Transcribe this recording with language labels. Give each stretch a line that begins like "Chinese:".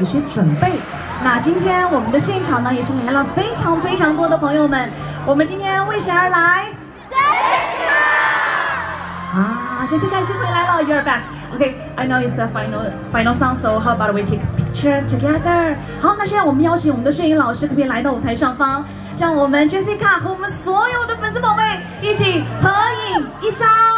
Chinese: 准备，那今天我们的现场呢，也是来了非常非常多的朋友们。我们今天为谁而来？Jessica！
English: 啊 ，Jessica
Chinese: 就回来了
English: ，You're back。 OK，I know it's a final song， so how about we take a picture together？
Chinese: 好，那现在我们邀请我们的摄影老师，可不可以来到舞台上方，让我们 Jessica 和我们所有的粉丝宝贝一起合影一张。